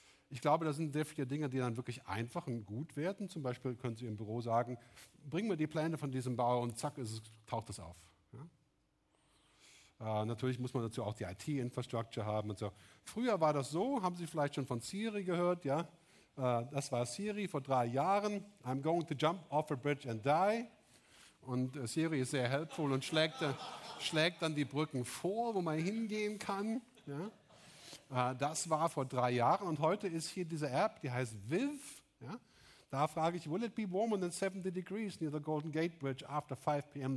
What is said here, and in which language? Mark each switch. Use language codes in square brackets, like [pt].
[de] Ich glaube, das sind sehr viele Dinge, die dann wirklich einfach und gut werden. Zum Beispiel können Sie im Büro sagen, bring mir die Pläne von diesem Bau und zack, taucht das auf. Ja? Natürlich muss man dazu auch die IT-Infrastruktur haben und so. Früher war das so, haben Sie vielleicht schon von Siri gehört, ja? Das war Siri vor 3 Jahren. [en] I'm going to jump off a bridge and die. [de] Und Siri ist sehr helpful und schlägt dann die Brücken vor, wo man hingehen kann. Ja? Das war vor 3 Jahren. Und heute ist hier diese App, die heißt Viv. Ja? Da frage ich, [en] will it be warmer than 70 degrees near the Golden Gate Bridge after 5 p.m.